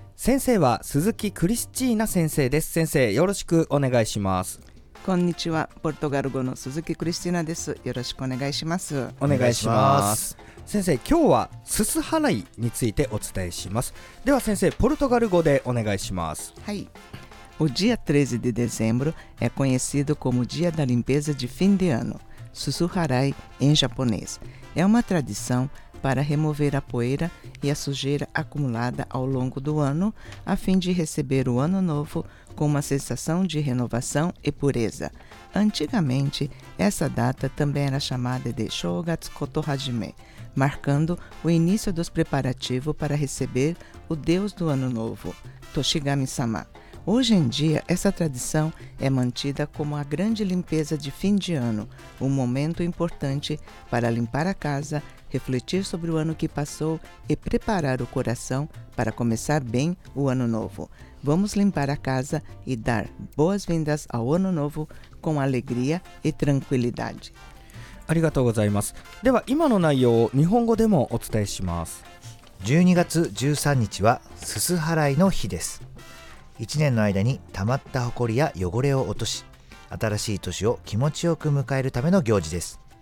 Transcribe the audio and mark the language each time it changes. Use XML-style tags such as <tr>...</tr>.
<ja>先生は鈴木クリスチーナ先生です。先生よろしくお願いします。こんにちは、ポルトガル語の鈴木クリスチーナです。よろしくお願いします。お願いします。先生今日はすす払いについてお伝えします。では先生ポルトガル語でお願いします。はい。</ja> <pt>O dia 13 de dezembro é conhecido como Dia da Limpeza de Fim de Ano, Susuharai em japonês. É uma tradição para remover a poeira e a sujeira acumulada ao longo do ano, a fim de receber o ano novo com uma sensação de renovação e pureza. Antigamente, essa data também era chamada de Shogatsu Kotohajime, marcando o início dos preparativos para receber o Deus do Ano Novo, Toshigami-sama. Hoje em dia, essa tradição é mantida como a grande limpeza de fim de ano, um momento importante para limpar a casa, refletir sobre o ano que passou e preparar o coração para começar bem o ano novo. Vamos limpar a casa e dar boas-vindas ao ano novo com alegria e tranquilidade.</pt> <ja>ありがとうございます。では今の内容を日本語でもお伝えします。 12月13日はすす払いの日です。 1年の間にたまったほこりや汚れを落とし、新しい年を気持ちよく迎えるための行事です。</ja>